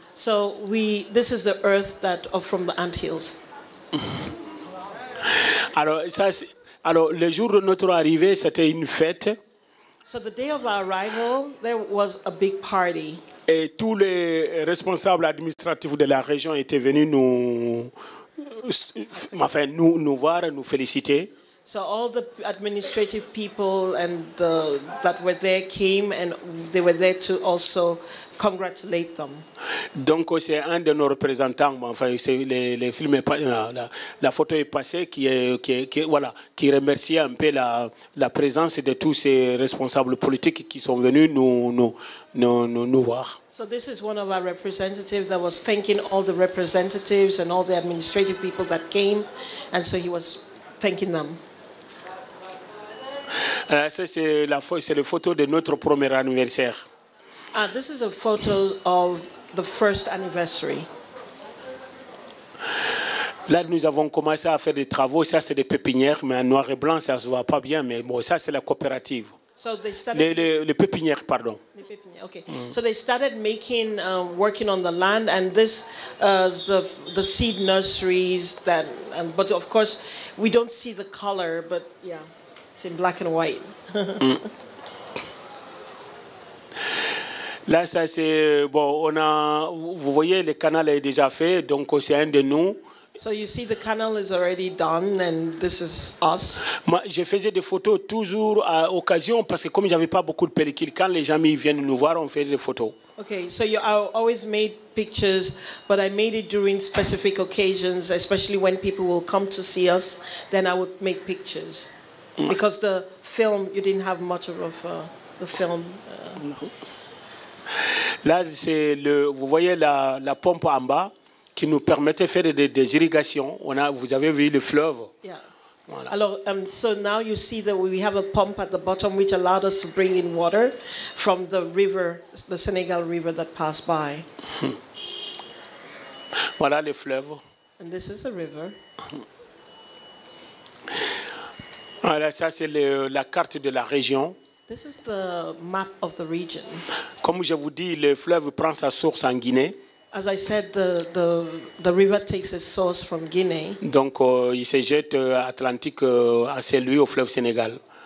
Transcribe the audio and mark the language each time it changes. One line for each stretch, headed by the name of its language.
English: So this is the earth that from the anthills.
French: Alors, le jour de notre arrivée, c'était une fête.
English: So the day of our arrival, there was a big party.
French: Et tous les responsables administratifs de la région étaient venus nous voir, nous féliciter.
English: So all the administrative people and that were there came, and they were there to also congratulate them.
French: Donc c'est un de nos représentants, les films, la photo est passée, qui remercie un peu la présence de tous ces responsables politiques qui sont venus nous voir.
English: So this is one of our representatives that was thanking all the representatives and all the administrative people that came, and so he was thanking them.
French: C'est la photo de notre premier anniversaire.
English: This is a photo of the first anniversary.
French: Là, nous avons commencé à faire des travaux. Ça, c'est des pépinières, mais en noir et blanc, ça se voit pas bien. Mais bon, ça, c'est la coopérative.
English: So
French: les pépinières, pardon. Les pépinière. Okay. Mm.
English: So they started making, working on the land, and this is the seed nurseries. That, and, but of course, we don't see the color, but yeah, it's in black and white.
French: Là, ça c'est bon. On a, vous voyez, le canal est déjà fait, donc c'est un de nous.
English: So you see, the canal is already done, and this is us.
French: Je faisais des photos toujours à occasion parce que comme j'avais pas beaucoup de pellicule, quand les gens viennent nous voir, on fait des photos.
English: Okay, so you always made pictures, but I made it during specific occasions, especially when people will come to see us. Then I would make pictures because the film, you didn't have much of the film.
French: Là, c'est le, vous voyez la pompe en bas qui nous permettait de faire des irrigations. On a, vous avez vu le fleuve. Yeah. Voilà.
English: Alors, so now you see that we have a pump at the bottom which allowed us to bring in water from the river, the Senegal river that passed by.
French: Voilà le fleuve.
English: And this is the river.
French: Voilà, ça c'est le, la carte de la région.
English: This is the map of the region.
French: Comme je vous dis, le fleuve prend sa source en Guinée.
English: As I said, the river takes its source from Guinée.
French: Donc, il se jette Atlantique assez lui au fleuve Sénégal.